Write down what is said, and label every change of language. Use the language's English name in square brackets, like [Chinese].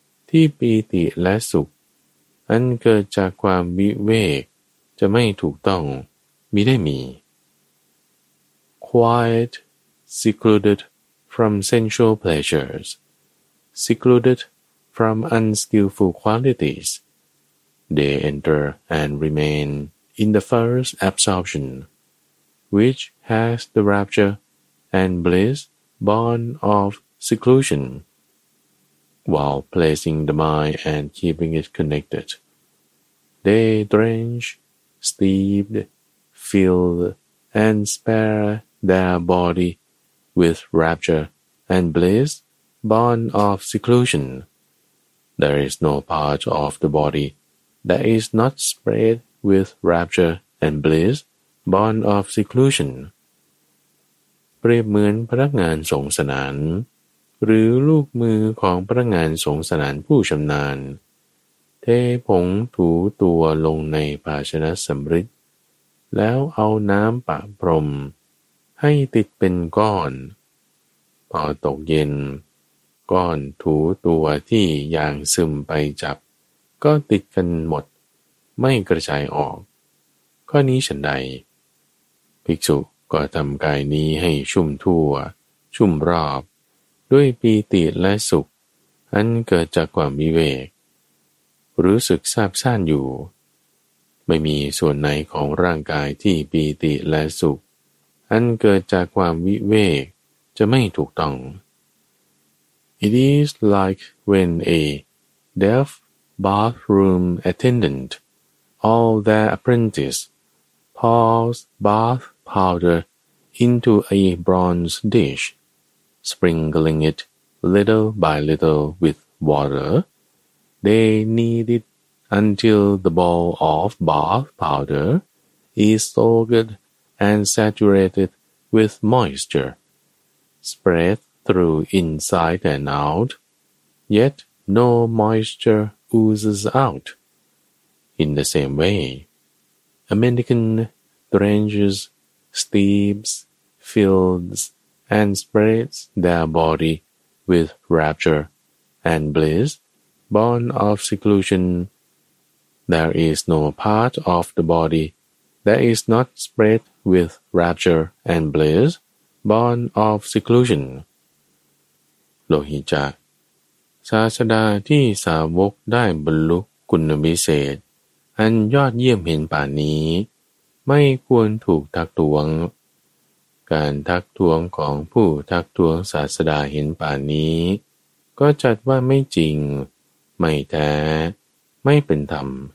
[Thai] ที่ปีติและสุขอันเกิดจากความวิเวกจะไม่ถูกต้องมิได้มี [English] Quiet, secluded from sensual pleasures, secluded from unskillful qualities, they enter and remain in the first absorption, which has the rapture and bliss born of seclusion. While placing the mind and keeping it connected, they drench, steep, fill, and spare their body with rapture and bliss born of seclusion. There is no part of the body that is not spread with rapture and bliss born of seclusion. [Thai] เปรียบเหมือนพนักงานสงสนานหรือลูกมือของพนักงานสงสนานผู้ชำนาญเทผงถูตัวลงในภาชนะสำริดแล้วเอาน้ำปะพรมให้ติดเป็นก้อนพอตกเย็นก้อนถูตัวที่ยางซึมไปจับก็ติดกันหมดไม่กระจายออกข้อนี้ฉันใด ภิกษุก็ทำกายนี้ให้ชุ่มทั่วชุ่มรอบด้วยปีติและสุขอันเกิดจากความวิเวกรู้สึกซาบซ่านอยู่ไม่มีส่วนไหนของร่างกายที่ปีติและสุขอันเกิดจากความวิเวกจะไม่ถูกต้อง [English] It is like when a deaf bathroom attendant or their apprentice pours bath powder into a bronze dish, sprinkling it little by little with water. They knead it until the ball of bath powder is soaked and saturated with moisture, spread through inside and out, yet no moisture oozes out. In the same way, a mendicant drenches, steeps, fills, and spreads their body with rapture and bliss, born of seclusion. There is no part of the body that is not spread with rapture and bliss, born of seclusion. [Thai] Lohicca, ศาสดาที่สาวกได้บรรลุคุณวิเศษอันยอดเยี่ยมเห็นป่านนี้ไม่ควรถูกทักท้วงการทักท้วงของผู้ทักท้วงศาสดาเห็นป่านนี้ก็จัดว่าไม่จริงไม่แท้ไม่เป็นธรรม